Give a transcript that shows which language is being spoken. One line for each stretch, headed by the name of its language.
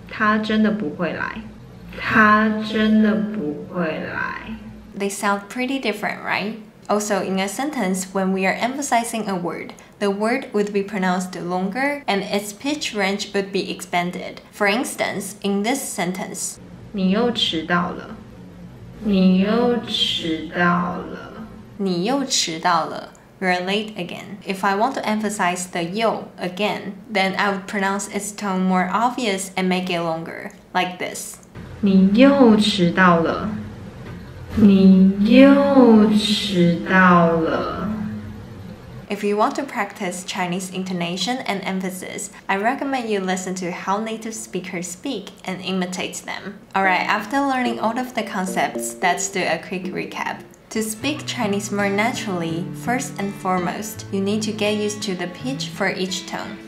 Chinese: 他真的不会来。他真的不会来
English: They sound pretty different, right? Also, in a sentence, when we are emphasizing a word, the word would be pronounced longer and its pitch range would be expanded. For instance, in this sentence,
Chinese: 你又迟到了你又迟到了你又迟到了
English: You're late again. If I want to emphasize the 又 again, then I would pronounce its tone more obvious and make it longer, like this.
Chinese: 你又迟到了你又迟到了
English: If you want to practice Chinese intonation and emphasis, I recommend you listen to how native speakers speak and imitate them. Alright, after learning all of the concepts, let's do a quick recap. To speak Chinese more naturally, first and foremost, you need to get used to the pitch for each tone.